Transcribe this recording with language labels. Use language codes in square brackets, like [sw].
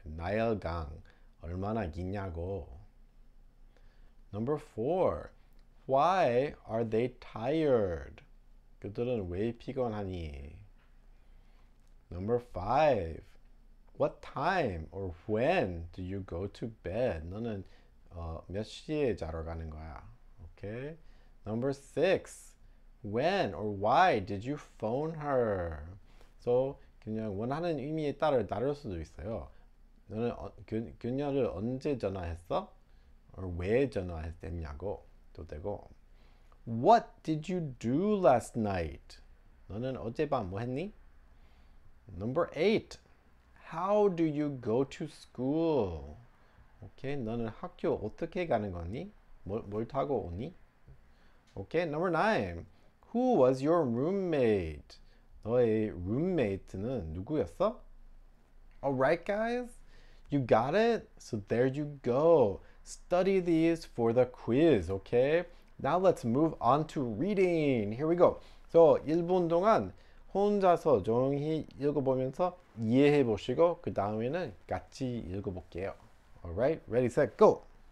[ko] 나일강. 얼마나 기냐고. [en] Number four, why are they tired? [ko] 그들은 왜 피곤하니? [en] Number five, what time or when do you go to bed? [ko] 너는 몇 시에 자러 가는 거야? [en] Okay. Number six, when or why did you phone her? [ko] So, 그냥 원하는 의미에 따라 다를 수도 있어요. 너는 그녀를 언제 전화했어? [en] Or [ko] 왜 전화했냐고도 되고 [en] What did you do last night? [ko] 너는 어젯밤 뭐 했니? [en] Number 8 How do you go to school? [ko] 오케이 너는 학교 어떻게 가는 거니? 뭘 타고 오니? 오케이 [en] Number 9 Who was your roommate? [ko] 너의 룸메이트는 누구였어? [en] Alright guys You got it? So there you go Study these for the quiz, okay? Now let's move on to reading. Here we go. [ko] So, 1분 동안 혼자서 조용히 읽어보면서 이해해 보시고, 그 다음에는 같이 읽어볼게요. [en] Alright, ready, set, go!